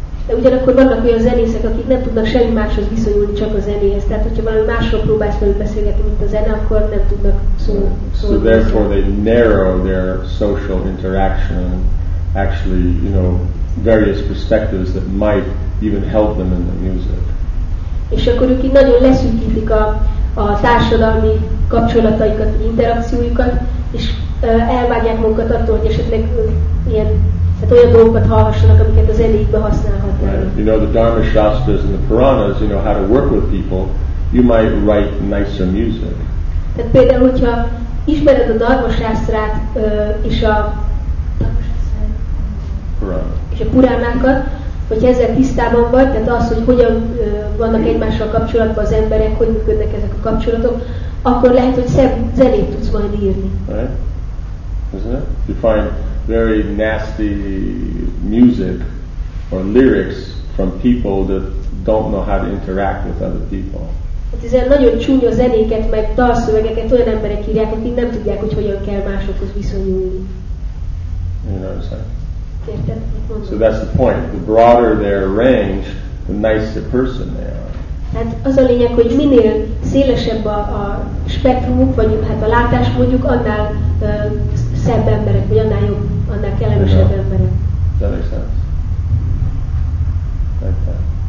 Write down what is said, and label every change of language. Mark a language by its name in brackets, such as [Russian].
[Hungarian] De ugyanakkor vannak olyan zenészek, akik nem tudnak semmi máshoz viszonyulni, csak a zenéhez. Tehát, hogyha valami másról próbálsz velük beszélgetni, mint a zene, akkor nem tudnak szólni. [English] So therefore they narrow their social interaction, actually, you know, various perspectives that might even help them in the music. [Hungarian] És akkor ők így nagyon leszűkítik a társadalmi kapcsolataikat, interakciójukat, és elvágják magukat attól, hogy esetleg ilyen, hát olyan dolgokat hallhassanak, amiket az elégbe használhatnak. [English] Right. You know, the Dharma Shastras and the Puranas, you know, how to work with people, you might write nicer music. [Hungarian] Tehát például, hogyha ismered a Dharma Shastrát és a Puranát. És a Puránákat, hogyha ezzel tisztában vagy, tehát az, hogy hogyan vannak egymással kapcsolatban az emberek, hogy működnek ezek a kapcsolatok, akkor lehet, hogy szebb zenét tudsz majd írni. [English] Right? Isn't it? Very nasty music or lyrics from people that don't know how to interact with other people. [Hungarian] Hát ezért nagyon csúnya zenéket, meg dalszövegeket olyan emberek írják, akik nem tudják, hogy hogyan kell másokhoz viszonyulni. [English] You know what I'm saying? So that's the point. The broader their range, the nicer person they are. [Hungarian] Hát az a lényeg, hogy minél szélesebb a spektrumuk, vagy hát a látásmódjuk, annál szebb emberek, vagy annál jobb, annál kellemesebb emberek. [English] That makes sense. Like that.